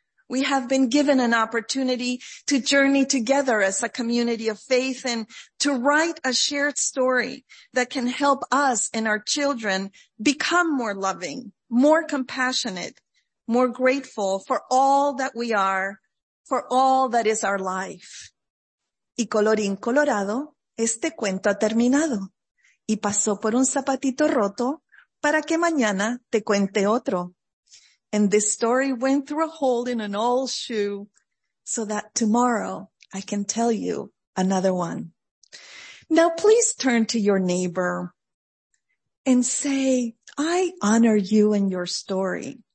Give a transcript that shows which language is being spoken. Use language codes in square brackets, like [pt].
[en] We have been given an opportunity to journey together as a community of faith and to write a shared story that can help us and our children become more loving, more compassionate, more grateful for all that we are, for all that is our life. [es] Y colorín colorado, este cuento ha terminado. Y pasó por un zapatito roto para que mañana te cuente otro. [en] And this story went through a hole in an old shoe so that tomorrow I can tell you another one. Now please turn to your neighbor and say, I honor you and your story.